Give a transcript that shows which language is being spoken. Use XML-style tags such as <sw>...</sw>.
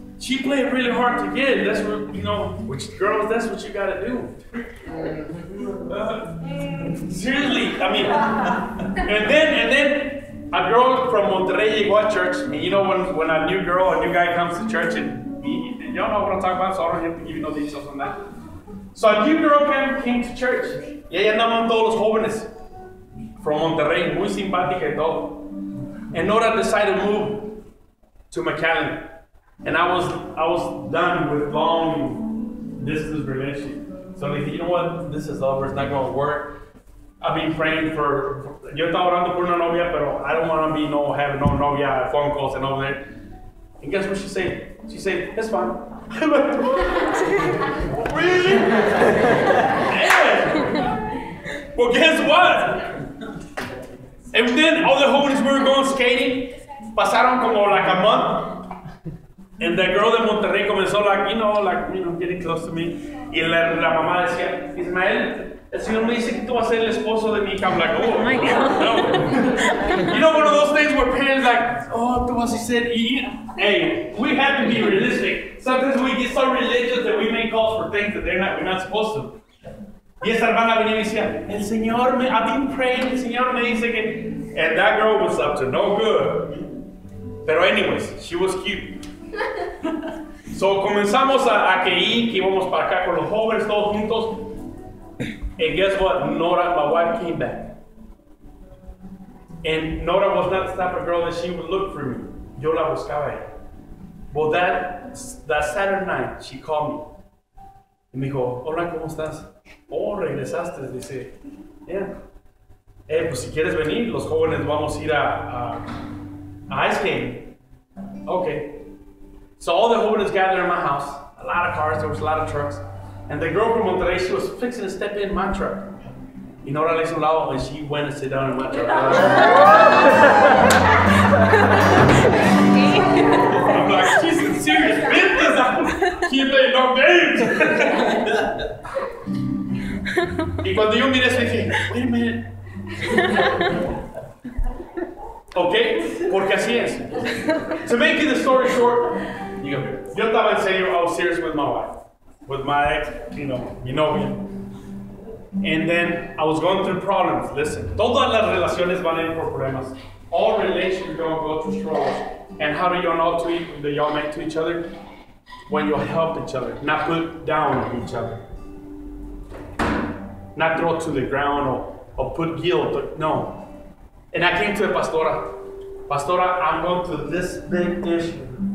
<en>She played really hard to get. That's what, you know, which girls, that's what you gotta do. Seriously, I mean, and then a girl from Monterrey</en> <es>llegó a</es> <en>church. I mean, you know, when a new girl, a new guy comes to church, and y'all know what I'm talking about, so I don't have to give you no details on that. So a new girl came to church.</en> <es>Y ella andaba con todos los jóvenes from Monterrey, muy simpática y todo.</es> <en>And Nora decided to move to McAllen. And I was done with long distance relationship. So I'm like, you know what? This is over. It's not going to work. I've been praying for.</en> <es>Yo estaba orando por una novia, pero</es> <en>I don't want to be no having no novia phone calls and all that. And guess what she said? She said, "It's fine." I'm like, what? Really? Man. Well, guess what? And then all the homies we were going skating.</en> <es>Pasaron como</es> <en>like a month. And the girl de Monterrey</en> <es>comenzó,</es> <en>like, you know, getting close to me.</en> <es>Y la mamá decía, Ismael, el Señor me dice que tú vas a ser el esposo de mi hija.</es> <en>I'm like, oh, my God. No. You know, one of those things where parents like, oh,</en> <es>tú vas a ser.</es> <en>Hey, we have to be realistic. Sometimes we get so religious that we make calls for things that we're not supposed to.</en> <es>Y esa hermana venía y decía, el Señor me,</es> <en>I've been praying,</en> <es>el Señor me dice que.</es> <en>And that girl was up to no good. Pero anyways, she was cute.</en> <es>So comenzamos a que ir, que íbamos para acá con los jóvenes todos juntos.</es> <en>And guess what? Nora, my wife, came back. And Nora was not the type of girl that she would look for me.</en> <es>Yo la buscaba ella.</es> <en>But that Saturday night, she called me.</en> <es>Y me dijo, hola, ¿cómo estás? Oh, regresaste. Dice, yeah. Pues si quieres venir, los jóvenes vamos a ir a ice skating.</es> <en>Okay. So all the hoodies gathered in my house, a lot of cars, there was a lot of trucks. And the girl from Monterrey, she was fixing to step in my truck.</en> <es>Y Nora le hizo un lado,</es> <en>and she went and sit down in my truck. I'm like, she's in serious business. She ain't no games.</en> <es>Y cuando yo miré, dije,</es> <en>wait a minute.</en> <es>Okay, porque así es.</es> <en>To make the story short,</en> <es>yo estaba en serio,</es> <en>I was serious with my wife, with my ex, you know,</en> <es>mi novia.</es> <en>And then I was going through problems.</en> <es>Listen, todas las relaciones van a ir por problemas.</es> <en>All relations are going to go through struggles. And how do y'all know that y'all make to each other? When you help each other, not put down each other. Not throw to the ground or put guilt, or, no. And I came to the pastora. Pastora, I'm going through this big issue.</en>